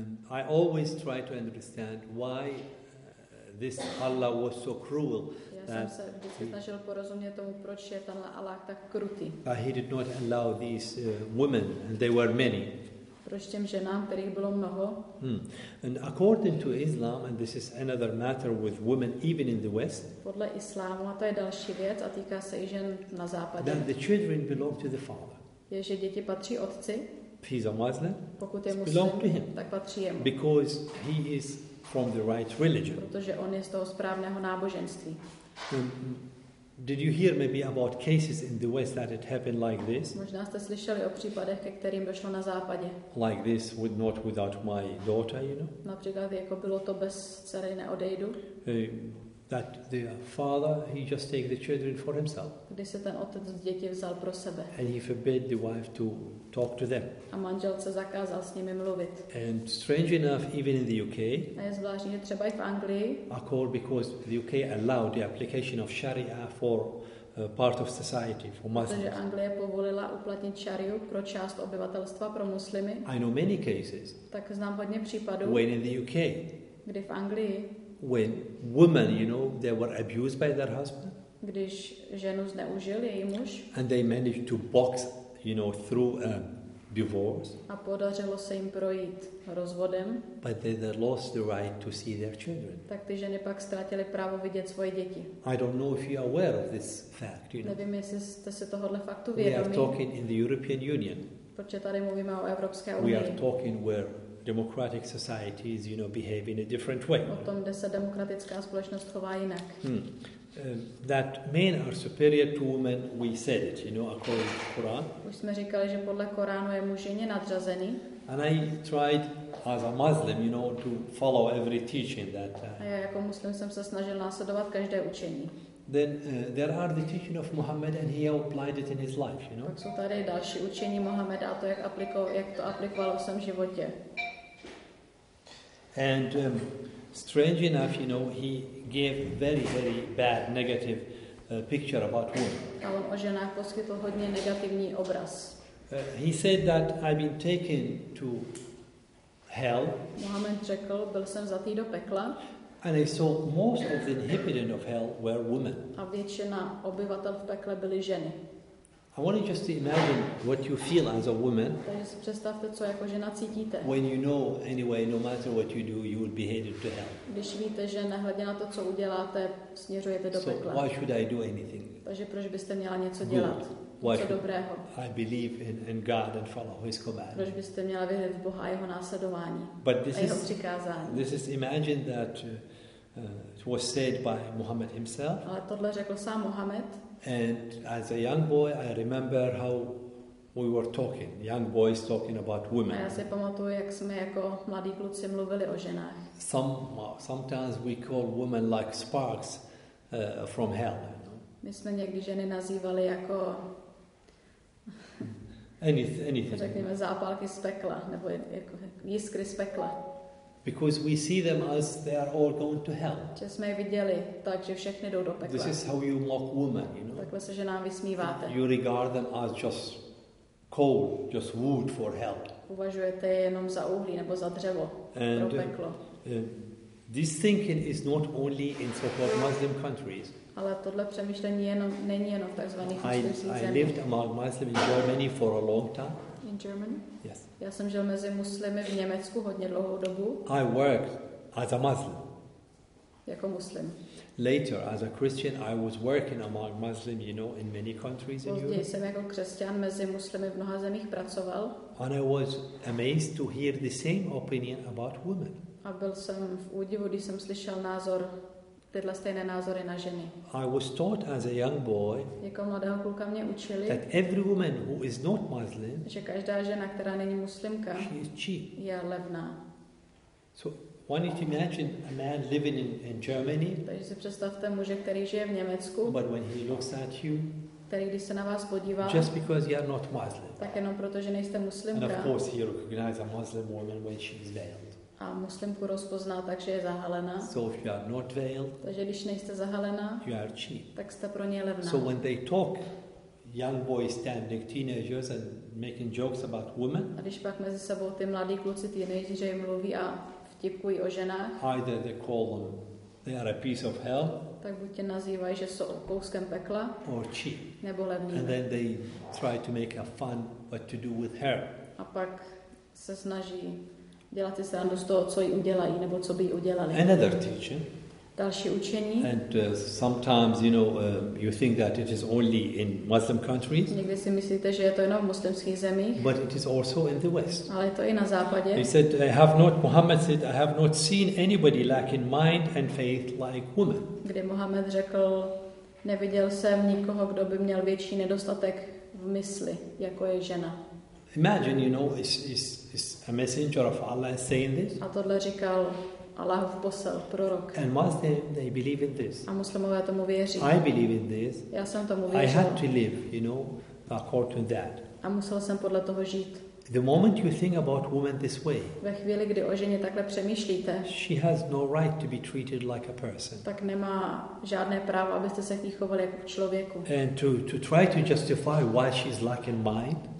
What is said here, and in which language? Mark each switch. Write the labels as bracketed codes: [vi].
[en] I always try to understand why this Allah was so cruel. [cs] Snažil porozumět tomu, proč je ten Allah tak krutý. [en] He did not allow these women, and they were many. [cs] Proč těm ženám, kterých bylo mnoho? [en] And according to Islam, and this is another matter with women, even in the West. [cs] Podle islámu, a to je další věc, a týká se i žen na západě. [en] That the children belong to the father. [cs] Je, že děti patří otci. [en] He's a Muslim. [cs] Pokud je muslim, [en] to him. [cs] Tak patří jemu. [en] Because he is from the right religion. [cs] Protože on je z toho správného náboženství. [en] Did you hear maybe about cases in the West that it happened like this? [cs] Možná jste slyšeli o případech, ke kterým došlo na západě. [en] Like this, would not without my daughter, you know? [cs] Například jako bylo to bez dcery neodejdu. [en] That the father, he just take the children for himself. [cs] Když se ten otec děti vzal pro sebe. [en] And he forbid the wife to talk to them. [cs] A manželce zakázal s nimi mluvit. [en] And strange enough, even in the UK. [cs] A je zvláštní, že třeba i v Anglii. [en] Accord because the UK allowed the application of Sharia for part of society for Muslims. [cs] Takže Anglie povolila uplatnit šariu pro část obyvatelstva pro muslimy. [en] I know many cases. [cs] Tak znám hodně případů. [en] When in the UK. [cs] Kdy v Anglii. [en] When women, you know, they were abused by their husband. [cs] Když ženu zneužil její muž. [en] And they managed to box, you know, through a divorce. [cs] A podařilo se jim projít rozvodem. [en] But they lost the right to see their children. [cs] Tak ty ženy pak ztratily právo vidět svoje děti. [en] I don't know if you are aware of this fact, you know. [cs] Nevím, jestli jste si tohohle faktu vědomí. [en] We are talking in the European Union. [cs] Protože tady mluvíme o Evropské unii. [en] We are talking where democratic societies, you know, behave in a different way. [cs] O tom, kde se demokratická společnost chová jinak. [en] That men are superior to women, we said it, you know, according to Quran. [cs] Už jsme říkali, že podle Koránu je muž ženě nadřazený. [en] And I tried, as a Muslim, you know, to follow every teaching that. [cs] A já jako muslim jsem se snažil následovat každé učení. [en] Then there are the teaching of Muhammad and he applied it in his life, you know. [cs] Pak jsou tady další učení Muhammada a to, jak to aplikoval v svém životě. [en] And strange enough, you know, he gave very, very bad negative picture about women. [cs] A on o ženách poskytl hodně negativní obraz. [en] He said that I've been taken to hell. [cs] Muhammad řekl, byl jsem zatý do pekla. [en] And I saw most of the inhabitants of hell were women. [cs] A většina obyvatel v pekle byly ženy. [en] I want you just to imagine what you feel as a woman. [cs] Takže si představte, co jako žena cítíte. [en] When you know, anyway, no matter what you do, you would be headed to hell. [cs] Když víte, že nehledě na to, co uděláte, směřujete do pekla. [en] So why should I do anything? [cs] Takže proč byste měla něco dělat? Co dobrého? [en] I believe in God and follow His command. [cs] Proč byste měla věřit v Boha a jeho následování? [en] But this [cs] a jeho přikázání. [en] This is imagine that it was said by Muhammad himself. [cs] Ale tohle řekl sám Muhammad. [en] And as a young boy, I remember how we were talking, young boys talking about women. [cs] A já si pamatuju, jak jsme jako mladí kluci mluvili o ženách. [en] Sometimes we call women like sparks from hell. You know? [cs] My jsme někdy ženy nazývali jako [en] anything. [cs] Řekněme zápalky z pekla, nebo jako jiskry z pekla. [en] Because we see them as they are all going to hell. [cs] Že jsme je viděli, takže všechny jdou do pekla. [en] This is how you mock women, you know. [cs] Takhle se ženám vysmíváte. [en] You regard them as just coal, just wood for hell. [cs] Považujete je jenom za uhlí nebo za dřevo [en] and, [cs] pro peklo. [en] This thinking is not only in so-called Muslim countries. [cs] Ale tohle přemýšlení není jenom v takzvaných muslimských zemích. [en] I lived among Muslims in Germany for a long time. In Germany? Yes. [cs] Já jsem žil mezi muslimy v Německu hodně dlouhou dobu. [en] I worked as a Muslim. [cs] jako muslim. [en] Later, as a Christian, I was working among Muslims, you know, in many countries in Europe. [cs] Později jsem jako křesťan mezi muslimy v mnoha zemích pracoval. [en] And I was amazed to hear the same opinion about women. [cs] A byl jsem v údivu, když jsem slyšel názor, tyhle stejné názory na ženy. [en] I was taught as a young boy, [cs] jako mladého kluka mě učili, [en] that every woman who is not Muslim, [cs] že každá žena, která není muslimka, [en] she is cheap. [cs] Je levná. [en] So, one need to imagine a man living in Germany, [cs] takže si představte muže, který žije v Německu, [en] but when he looks at you, [cs] který když se na vás podívá, [en] just because you are not Muslim, [cs] tak jenom proto, že nejste muslimka. [en] And of course, he recognizes a Muslim woman when she is veiled. [cs] A muslimku rozpozná, takže je zahalena. [en] So if you are not veiled, [cs] takže když nejste zahalena, [en] you are cheap. [cs] Tak jste pro ně levná. [en] So when they talk, young boys standing, teenagers and making jokes about women, [cs] a když pak mezi sebou ty mladí kluci, teenagers, mluví a vtipkují o ženách, [en] either they call them, they are a piece of hell, [cs] tak buď tě nazývají, že jsou kouskem pekla, [en] or cheap, [cs] nebo levní. [en] And then they try to make a fun what to do with her. [cs] A pak se snaží dělat si srandu z toho, co jí udělají, nebo co by jí udělali. [en] Another teaching. [cs] Další učení. [en] And sometimes, you know, you think that it is only in Muslim countries. [cs] Někdy si myslíte, že je to jenom v muslimských zemích. [en] But it is also in the West. [cs] Ale je to i na západě. [en] He said, I have not, Muhammad said, I have not seen anybody lack in mind and faith like woman. [cs] Kdy Muhammad řekl, neviděl jsem nikoho, kdo by měl větší nedostatek v mysli, jako je žena. [en] Imagine, you know, is a messenger of Allah saying this. [cs] A tohle říkal Allahův posel, prorok. [en] And Muslim, they believe in this. [cs] A muslimové tomu věří. [en] I believe in this. [cs] Já jsem tomu věřil. [en] I had to live, you know, according to that. [cs] A musel jsem podle toho žít. [en] The moment you think about woman this way, [cs] ve chvíli, kdy o ženě takhle přemýšlíte, [en] she has no right to be treated like a person. [cs] Tak nemá žádné právo, abyste se k ní chovali jako k člověku. [en] And to try to justify why she's lacking mind,